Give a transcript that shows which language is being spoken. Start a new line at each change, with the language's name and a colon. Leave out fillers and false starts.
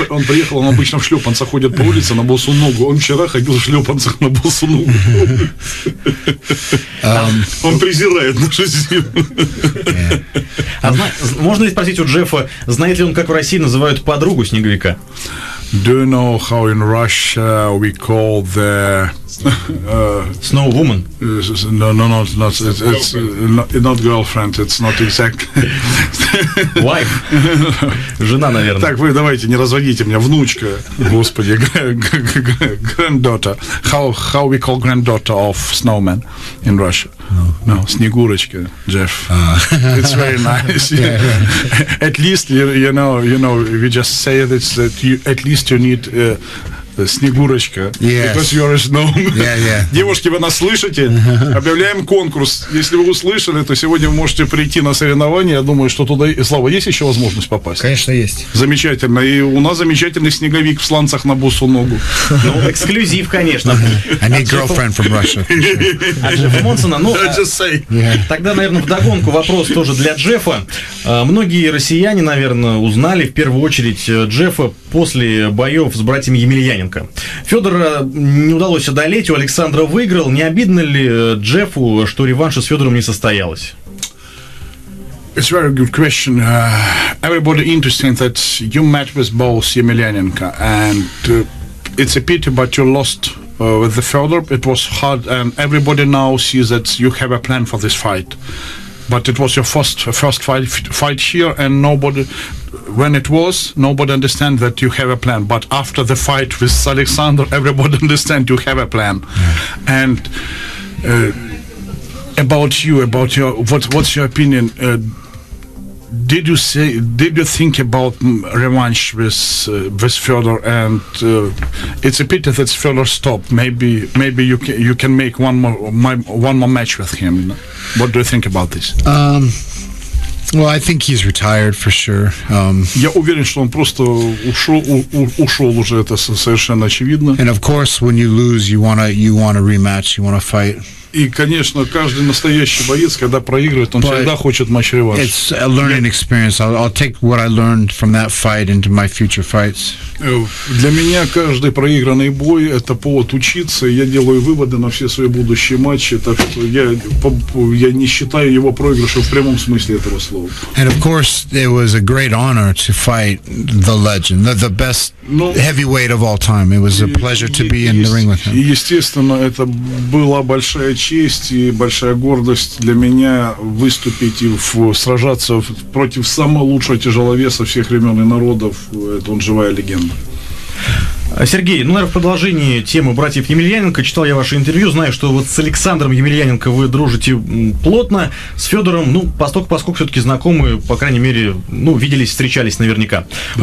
Russian: Он приехал, он обычно в шлёпанцах ходит по улице на босу ногу. Он вчера ходил в шлёпанцах на босу ногу. Он презирает нашу зиму. Можно ли спросить у Джеффа, знает ли он, как в России называют подругу снеговика?
English: Do you know how in Russia we call the snow woman? It's not girlfriend. It's not exactly wife.
Russian: Жена, наверное. Так, вы давайте не разводите меня, внучка, господи, granddaughter.
English: How we call granddaughter of snowman in Russia? No, снегурочка, Jeff. It's very nice. Yeah. At least you know, we just say this that you at least you need Снегурочка. Yes. Because you are a snowman. Yeah, yeah.
Russian: Девушки, вы нас слышите? Объявляем конкурс. Если вы услышали, то сегодня вы можете прийти на соревнования. Я думаю, что туда... Слава, есть еще возможность попасть? Конечно, есть. Замечательно. И у нас замечательный снеговик в сланцах на босу ногу. Ну, эксклюзив, конечно.
English: I need girlfriend from Russia. Sure.
Russian: А Джеффа Монсона? Ну,
English: I just say.
Russian: Тогда, наверное, вдогонку вопрос тоже для Джеффа. Многие россияне, наверное, узнали в первую очередь Джеффа после боев с братьями Емельяненко. Федора не удалось одолеть, у Александра выиграл. Не обидно ли Джеффу, что реванш с Федором не состоялось?
English: It's a very good question. Everybody interesting that you met with both Емельяненко, and it's a pity, but you lost with the Федор. It was hard, and everybody now sees that you have a plan for this fight. But it was your first fight here, and nobody. When it was, nobody understand that you have a plan. But after the fight with Alexander, everybody understand you have a plan. Yeah. And about what's your opinion? Did you think about revanche with Fyodor? And it's a pity that Fyodor stopped. Maybe you can make one more match with him. What do you think about this? Well, I think he's retired for sure.
Russian: Я уверен, что он просто ушел уже, это совершенно очевидно.
English: And of course, when you lose, you wanna rematch, you wanna fight.
Russian: И, конечно, каждый настоящий боец, когда проигрывает, он всегда хочет матч-реванш.
English: It's a learning experience. I'll take what I learned from that fight into my future fights.
Russian: Для меня каждый проигранный бой – это повод учиться. Я делаю выводы на все свои будущие матчи. Так что я не считаю его проигрышем в прямом смысле этого слова.
English: And of course, it was a great honor to fight the legend, the best heavyweight of all time. It was a pleasure to be in the ring with him.
Russian: Естественно, это была большая честь и большая гордость для меня выступить и сражаться против самого лучшего тяжеловеса всех времен и народов. Это он живая легенда. Сергей, ну, наверное, в продолжении темы братьев Емельяненко, читал я ваше интервью, знаю, что вот с Александром Емельяненко вы дружите плотно, с Федором, ну, поскольку все-таки знакомы, по крайней мере, ну, виделись, встречались наверняка. Да.